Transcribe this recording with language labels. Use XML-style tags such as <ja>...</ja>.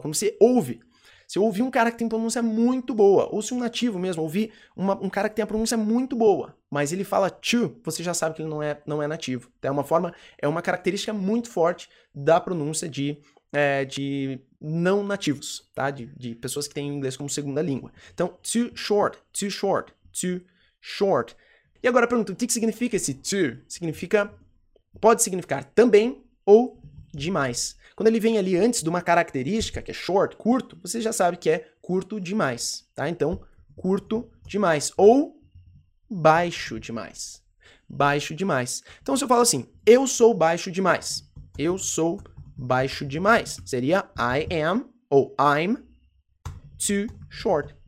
<pt>Quando você ouve, se eu ouvir um cara que tem pronúncia muito boa, ou se um nativo mesmo, ouvir um cara que tem a pronúncia muito boa, mas ele fala too, você já sabe que ele não é nativo. Então, é uma característica muito forte da pronúncia de não nativos, tá? De pessoas que têm inglês como segunda língua.</pt> <en>Então, too short, too short, too short.</en> <pt>E agora a pergunta, o que significa esse too? Significa, pode significar também ou demais. Quando ele vem ali antes de uma característica, que é short, curto, você já sabe que é curto demais, tá? Então, curto demais ou baixo demais. Baixo demais. Então, se eu falo assim, eu sou baixo demais. Eu sou baixo demais.</pt> <en>Seria I am ou I'm too short.</en>